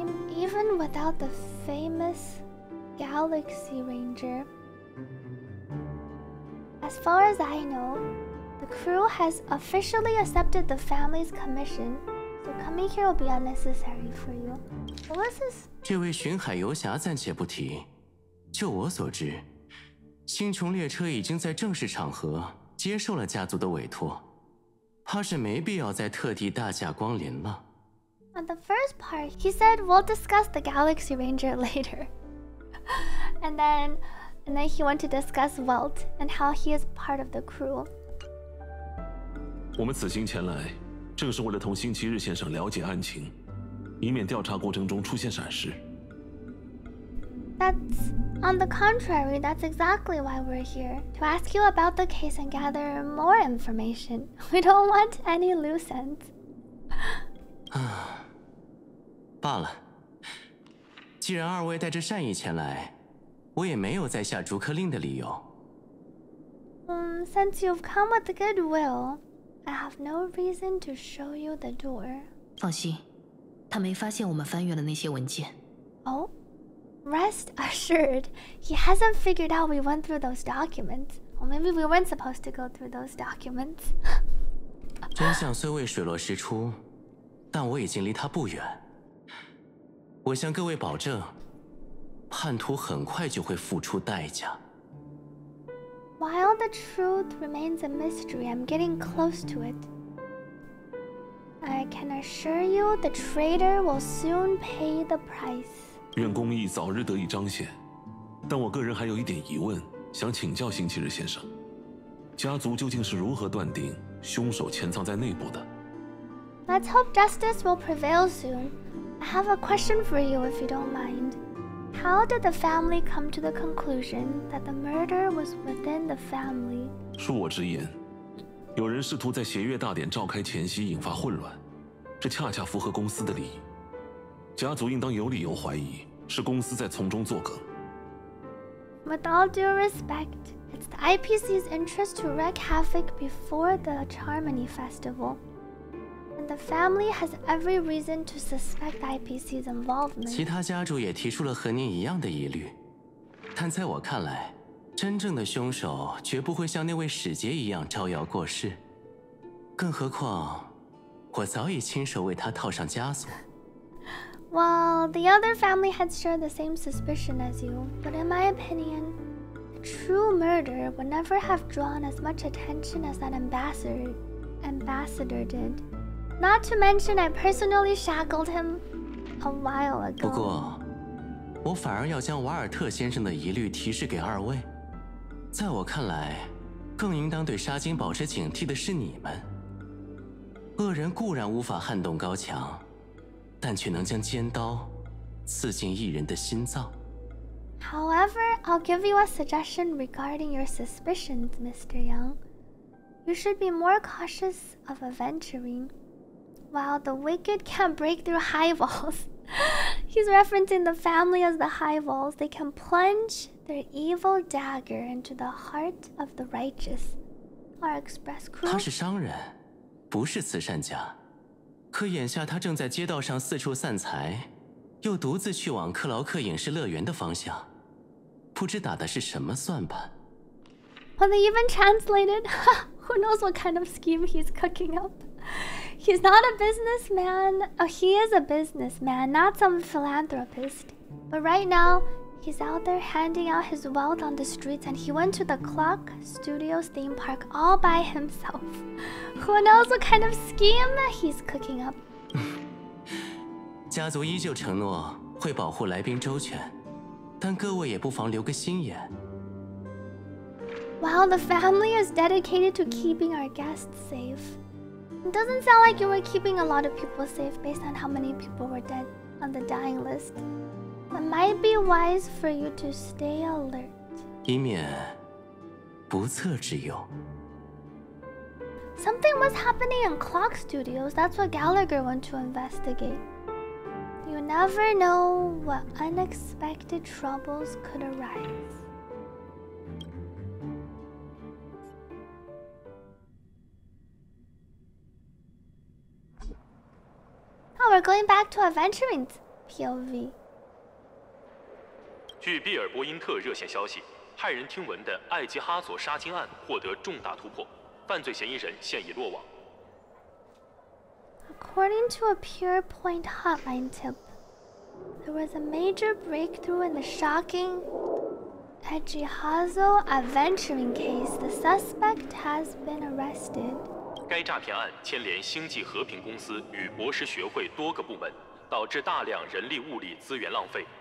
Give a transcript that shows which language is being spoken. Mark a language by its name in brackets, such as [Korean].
[English] Even without the famous Galaxy Ranger, as far as I know, the crew has officially accepted the family's commission, so coming here will be unnecessary for you. What was this? [Chinese] 这位巡海游侠暂且不提，就我所知。星穹列车已经在正式场合接受了家族的委托，怕是没必要再特地大驾光临了。 [English] On the first part, he said we'll discuss the Galaxy Ranger later. And then he went to discuss Welt and how he is part of the crew. [Chinese] 我们此行前来，正是为了同星期日先生了解案情，以免调查过程中出现闪失。 [English] That's, on the contrary, that's exactly why we're here. To ask you about the case and gather more information. We don't want any loose ends. [Chinese] 罢了。既然二位带着善意前来，我也没有再下逐客令的理由。 [English] Since you've come with goodwill, I have no reason to show you the door. [Chinese] 放心，他没发现我们翻阅了那些文件。 [English] Oh? Rest assured, he hasn't figured out we went through those documents. Or maybe we weren't supposed to go through those documents. [Chinese] 真相虽未水落石出，但我已经离他不远。我向各位保证，叛徒很快就会付出代价。 [English] While the truth remains a mystery, I'm getting close to it. I can assure you the traitor will soon pay the price. [Chinese] 愿公义早日得以彰显，但我个人还有一点疑问，想请教星期日先生，家族究竟是如何断定凶手潜藏在内部的？ [English] Let's hope justice will prevail soon. I have a question for you if you don't mind. How did the family come to the conclusion that the murder was within the family? [Chinese] 恕我直言，有人试图在协约大典召开前夕引发混乱，这恰恰符合公司的利益。家族应当有理由怀疑是公司在从中作梗。 [English] With all due respect, it's the IPC's interest to wreak havoc before the Charmony Festival. And the family has every reason to suspect IPC's involvement. [Chinese] 其他家族也提出了和您一样的疑虑。但在我看来，真正的凶手绝不会像那位使节一样招摇过市。更何况，我早已亲手为他套上枷锁。 [English] Well, the other family had shared the same suspicion as you, but in my opinion, a true murder would never have drawn as much attention as that ambassador did. Not to mention, I personally shackled him a while ago. [Chinese] 不过，我反而要将瓦尔特先生的疑虑提示给二位。在我看来，更应当对沙金保持警惕的是你们。恶人固然无法撼动高墙，但却能将尖刀刺进一人的心脏。 [English] However, I'll give you a suggestion regarding your suspicions, Mr. Young. You should be more cautious of aventurine. While the wicked can't break through high walls, he's referencing the family as the high walls. They can plunge their evil dagger into the heart of the righteous. Or express cruelty. [Chinese] 他是商人，不是慈善家。可眼下他正在街道上四处散财，又独自去往克劳克影视乐园的方向，不知打的是什么算盘。 [English] Well, they even translated. Who knows what kind of scheme he's cooking up? He's not a businessman. Oh, he is a businessman, not some philanthropist. But right now, he's out there handing out his wealth on the streets, and he went to the Clock Studios theme park all by himself. Who knows what kind of scheme he's cooking up? [Chinese] 家族依旧承诺会保护来宾周全，但各位也不妨留个心眼。 [English] While the family is dedicated to keeping our guests safe, it doesn't sound like you were keeping a lot of people safe based on how many people were dead on the dying list. It might be wise for you to stay alert. [Chinese] 以免不测之忧。 [English] Something was happening in Clock Studios. That's what Gallagher went to investigate. You never know what unexpected troubles could arise. 那 we're going back to Aventurine's POV. [Chinese] 据毕尔波因特热线消息，骇人听闻的艾吉哈佐杀金案获得重大突破，犯罪嫌疑人现已落网。 [English] According to a PurePoint hotline tip, there was a major breakthrough in the shocking Edgy Hazo adventuring case. The suspect has been arrested. [Chinese] 该诈骗案牵连星际和平公司与博士学会多个部门，导致大量人力物力资源浪费。